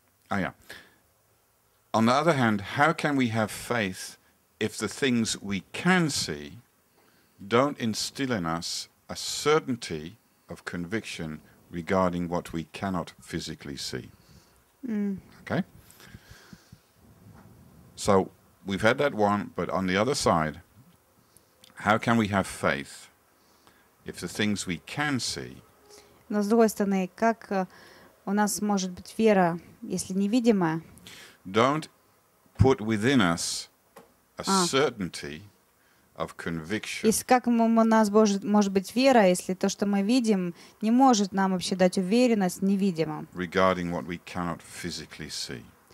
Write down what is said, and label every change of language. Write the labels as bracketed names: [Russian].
[English] Oh yeah. On the other hand, how can we have faith if the things we can see don't instill in us a certainty of conviction regarding what we cannot physically see? Okay? So we've had that one, but on the other side, how can we have faith if the things we can see? [Russian] Но с другой стороны, как у нас может быть вера, если невидимая? [English] Don't put within us a certainty of conviction. [Russian] Если как у нас может быть вера, если то, что мы видим, не может нам вообще дать уверенность невидимым? [English] Regarding what we cannot physically see.